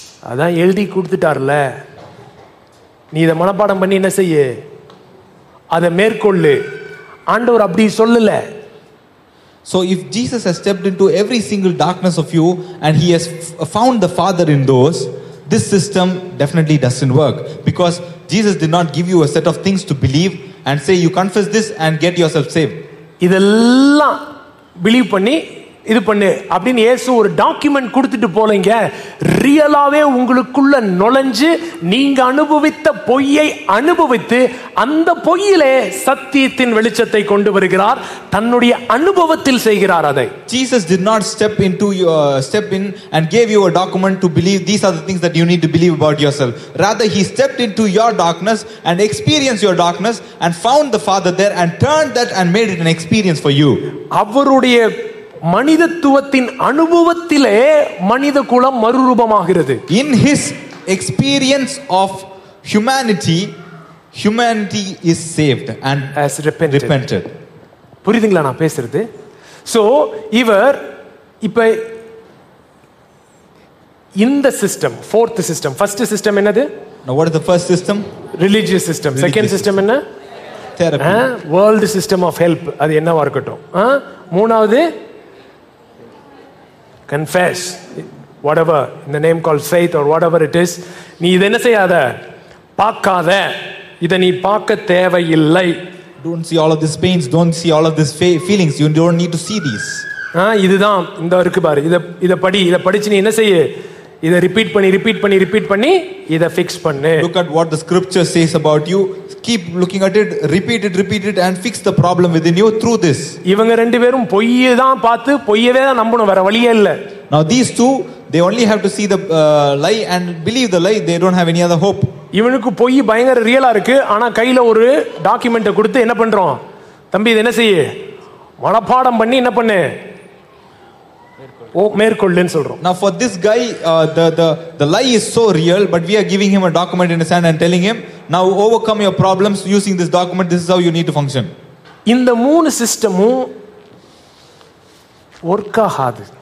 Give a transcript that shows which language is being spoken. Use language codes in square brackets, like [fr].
[ta] அதான் எழுதி கொடுத்துட்டார்ல, நீ இதை மனப்பாடம் பண்ணி என்ன செய்ய, அதை மேற்கொள்ளு. ஆண்டவர் அப்படி சொல்லல. [en] So if Jesus has stepped into every single darkness of you and he has found the Father in those, this system definitely doesn't work because Jesus did not give you a set of things to believe and say you confess this and get yourself saved. [ta] இதெல்லாம் believe பண்ணி இது பண்ணு அப்படின்னு ஏசு ஒரு document கொடுத்துட்டு போலீங்க. ரியலாவே உங்களுக்குள்ள நுழைஞ்சு நீங்க அனுபவித்த பொய்யை அனுபவித்து அந்த பொய்யிலே சத்தியத்தின் வெளிச்சத்தை கொண்டு வருகிறார். தன்னுடைய அனுபவத்தில் செய்கிறார் அதை. [en] Jesus did not step into your step in and gave you a document to believe these are the things that you need to believe about yourself. Rather he stepped into your darkness and experienced your darkness and found the Father there and turned that and made it an experience for you. [ta] அவருடைய மனிதத்துவத்தின் அனுபவத்திலே மனித குலம் மறுரூபமாகிறது. [en] In his experience of humanity, humanity is saved and has repented. Repented. [ta] புரியுதுங்களா நான் பேசுறது? So இவர் இப்ப இந்த system fourth system first system என்னது? [en] Now what is the first system? Religious system. Second system [ta] என்ன? [en] Therapy. World system of help. [ta] அது என்னவா இருக்கட்டும். மூணாவது [en] confess whatever in the name called faith or whatever it is. [ta] நீ இத என்ன செய்யாத? பார்க்காத. இத நீ பார்க்க தேவையில்லை. [en] Don't see all of these pains, don't see all of these feelings, you don't need to see these. [ta] இதுதான் இந்த இருக்கு பாரு. இத படி, இத படிச்சு நீ என்ன செய்ய? இத ரிபீட் பண்ணி ரிபீட் பண்ணி ரிபீட் பண்ணி இத fix பண்ணு. [en] Look at what the scripture says about you. Keep looking at it, repeat it and fix the problem within you through this. [ta] இவங்க ரெண்டு பேரும் பொய்ய தான் பார்த்து பொய்யவே தான் நம்பணும், வேற வழியே இல்ல. [en] Now these two, they only have to see the lie and believe the lie. They don't have any other hope. [ta] இவனுக்கு பொய் பயங்கர ரியலா இருக்கு, ஆனா கையில ஒரு டாக்குமெண்ட் கொடுத்து என்ன பண்றோம்? தம்பி இது என்ன செய்ய? மனப்பாடம் பண்ணி என்ன பண்ணு? [en] Now for this guy, the lie is so real, but we are giving him a document in his hand and telling him, now overcome your problems using this document, this is how you need to function. In the moon system, work hard.